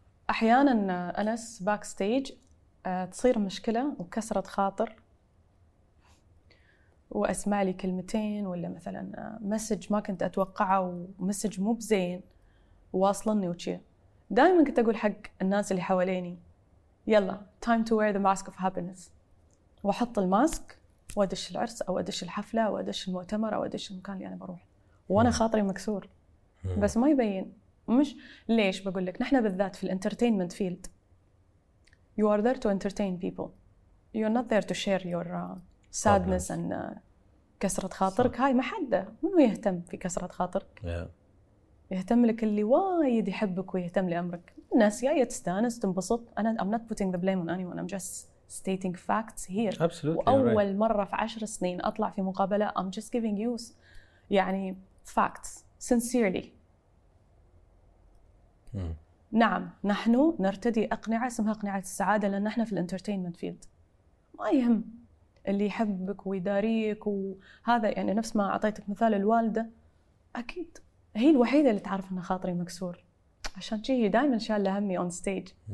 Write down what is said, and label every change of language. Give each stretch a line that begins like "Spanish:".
Arabic: أحياناً أنس باكستيج تصير مشكلة وكسرة خاطر، وأسمع لي كلمتين ولا مثلاً مسج ما كنت أتوقعه، ومسج مو بزين واصلني وشي. دائماً كنت أقول حق الناس اللي حواليني، يلا
English: time to wear the mask of happiness،
Arabic: وأحط الماسك وأدش العرس أو أدش الحفلة أو أدش المؤتمر أو أدش المكان اللي أنا بروح وأنا خاطري مكسور. بس ما يبين. مش ليش بقول لك، نحن بالذات في الانترتينمنت فيلد،
English: you are there to entertain people، you are not there to share your sadness and
Arabic: كسرة خاطرك. هاي محدة، منو يهتم في كسرة خاطرك؟ يهتم لك اللي وايد يحبك ويهتم لأمرك. الناس جاية تستانس تنبسط. أنا
English: I'm not putting the blame on anyone، I'm just stating facts here. Absolutely.
Arabic: وأول مرة في 10 سنين أطلع في مقابلة،
English: I'm just giving you
Arabic: يعني
English: facts sincerely.
Arabic: نعم، نحن نرتدي أقنعة اسمها أقنعة السعادة، لأن نحن في الانترتينمنت فيلد. ما يهم اللي يحبك ويداريك وهذا، يعني نفس ما أعطيتك مثال الوالدة، أكيد هي الوحيدة اللي تعرف أن خاطري مكسور، عشان شي هي دائما شال همي
English: on stage.